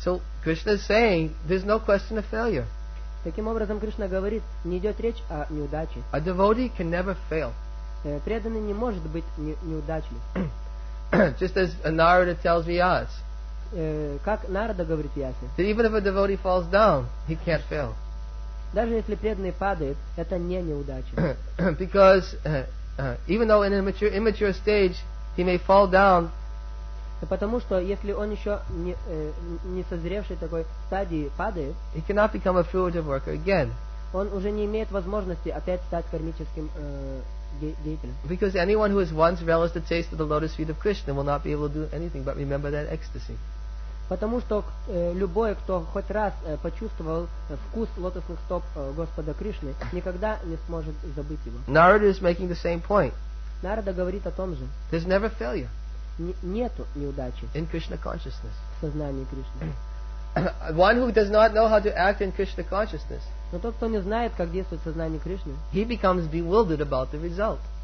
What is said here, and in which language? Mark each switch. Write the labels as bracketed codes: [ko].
[en] So Krishna is saying there's no question of failure. [ru] Таким образом, Кришна говорит, не идет речь о неудаче. [en] A devotee can never fail. [ru] Преданный не может быть неудачным. [en] Just as Narada tells Vyas. [ru] Как Нарада говорит Вьясе. [en] That even if a devotee falls down, he can't fail. [ru] Даже если преданный падает, это не неудача. [en] Because even though in an immature stage he may fall down. [ru] Потому что если он еще не созревший такой стадии падает. [en] He cannot become a fruitive worker again. [ru] Он уже не имеет возможности опять стать кармическим деятелем. [en] Because anyone who has once relished the taste of the lotus feet of Krishna will not be able to do anything but remember that ecstasy. [ru] Потому что любой, кто хоть раз почувствовал вкус лотосных стоп Господа Кришны, никогда не сможет забыть его. [en] Narada is making the same point. [ru] Нарада говорит о том же. [en] There's never failure. [ru] Нету неудачи. [en] In Krishna consciousness. [ru] В сознании Кришны. [en] One who does not know how to act in Krishna consciousness. [ru] Но тот, кто не знает, как действовать в сознании Кришны. [en] He becomes bewildered about the result.